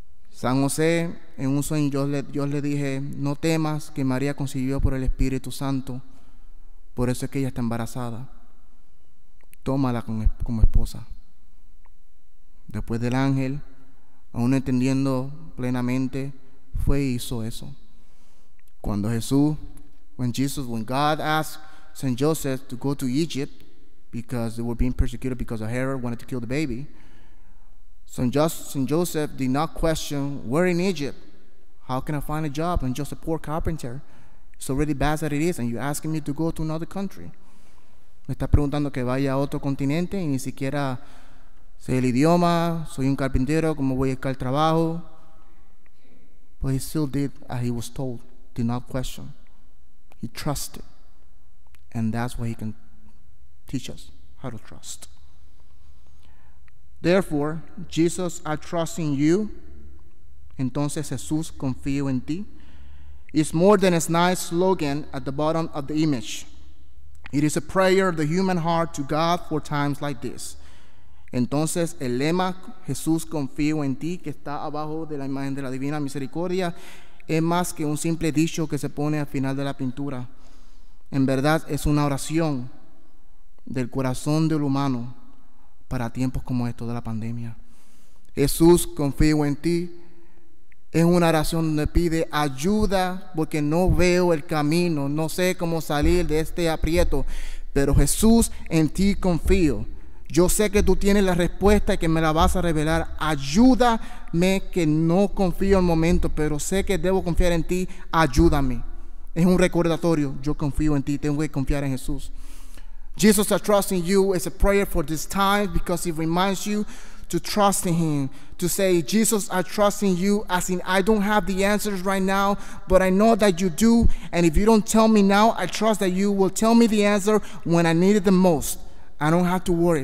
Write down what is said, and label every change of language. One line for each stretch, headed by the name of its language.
Spanish: San José, en un sueño yo le dije, no temas que María concibió por el Espíritu Santo, por eso es que ella está embarazada. Tómala como esposa. Después del ángel, aún entendiendo plenamente, fue y hizo eso. Cuando Jesús,
English: when God asked Saint Joseph to go to Egypt because they were being persecuted because of Herod wanted to kill the baby, Saint Joseph did not question, "Where in Egypt? How can I find a job? I'm just a poor carpenter. It's already bad as it is, and you're asking me to go to another country."
Spanish: Me está preguntando que vaya a otro continente y ni siquiera sé el idioma. Soy un carpintero. ¿Cómo voy a buscar trabajo?
English: But he still did as he was told. Did not question. He trusted, and that's what he can teach us how to trust. Therefore, Jesus, I trust in you.
Spanish: Entonces, Jesús, confío en ti.
English: It's more than a nice slogan at the bottom of the image. It is a prayer of the human heart to God for times like this.
Spanish: Entonces, el lema, Jesús, confío en ti, que está abajo de la imagen de la Divina Misericordia, es más que un simple dicho que se pone al final de la pintura. En verdad, es una oración del corazón del humano para tiempos como estos de la pandemia. Jesús, confío en ti. Es una oración donde pide ayuda porque no veo el camino, no sé cómo salir de este aprieto. Pero Jesús, en ti confío. Yo sé que tú tienes la respuesta y que me la vas a revelar. Ayúdame, que no confío en el momento, pero sé que debo confiar en ti. Ayúdame. Es un recordatorio. Yo confío en ti. Tengo que confiar en Jesús.
English: Jesus, I trust in you is a prayer for this time because it reminds you to trust in Him. To say, Jesus, I trust in you, as in I don't have the answers right now, but I know that you do. And if you don't tell me now, I trust that you will tell me the answer when I need it the most. I don't have to worry.